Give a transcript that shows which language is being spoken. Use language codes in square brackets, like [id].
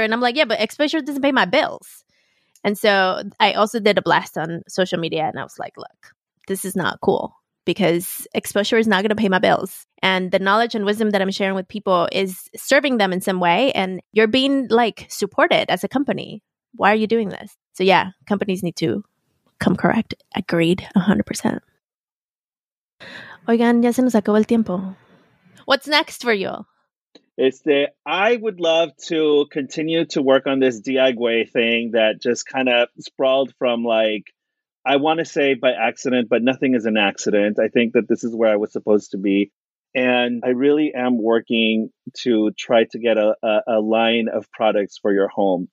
[en] And I'm like, yeah, but exposure doesn't pay my bills. And so I also did a blast on social media, and I was like, look, this is not cool, because exposure is not going to pay my bills. And the knowledge and wisdom that I'm sharing with people is serving them in some way. And you're being like supported as a company. Why are you doing this? So yeah, companies need to come correct. Agreed 100%. [es] Oigan, ya se nos acabó el tiempo. [en] What's next for you? I would love to continue to work on this DIY thing that just kind of sprawled from, like, I want to say by accident, but nothing is an accident. I think that this is where I was supposed to be. And I really am working to try to get a line of products for your home.